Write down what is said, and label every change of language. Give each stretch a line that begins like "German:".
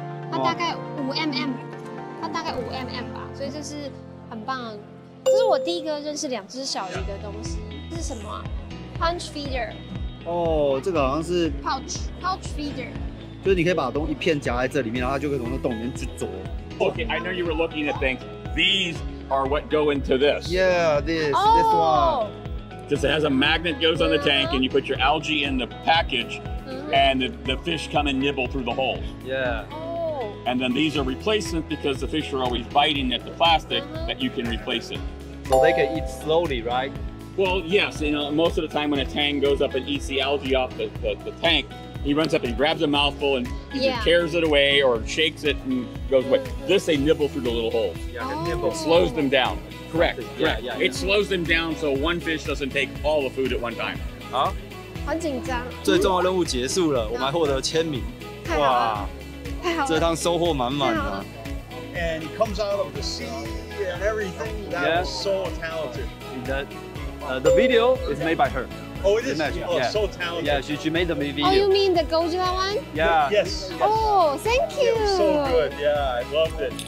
Chinese: 它大概5 mm， 它大概5 mm 吧，所以这是很棒的。这是我第一个认识两只小鱼的东西，这是什么、啊、？
English: Punch feeder。
Chinese: 哦，这个好像是
English: pouch feeder，
Chinese: 就是你可以把东一片夹在这里面，然后它就可以从那洞里面去啄。
English: Okay, I know you were looking at things. These are what go into this. Yeah, this one. Just it has a magnet goes on the tank, and you put your algae in the package, and the fish come and nibble through the holes. Yeah. And then these are replacements because the fish are always biting at the plastic, that you can replace it. So they can eat slowly, right? Well, yes. You know, most of the time when a tang goes up and eats the algae off the tank, he runs up and grabs a mouthful and either tears it away or shakes it and goes away. This, they nibble through the little holes. Yeah, nibble. It slows them down. Correct. Yeah, yeah, yeah. It slows them down so one fish doesn't take all the food at one time. Huh?
Chinese: 很紧张，最重要任务结束了，我们还获得签名。哇，这趟收获满满的。
English: And he comes out of the sea and everything. That was so talented. The video is made by her. Oh, it is? Oh, so talented. Yeah, she made the video. Oh, you mean the Godzilla one? Yeah. Yes. Oh, thank you. It was so good. Yeah, I loved it.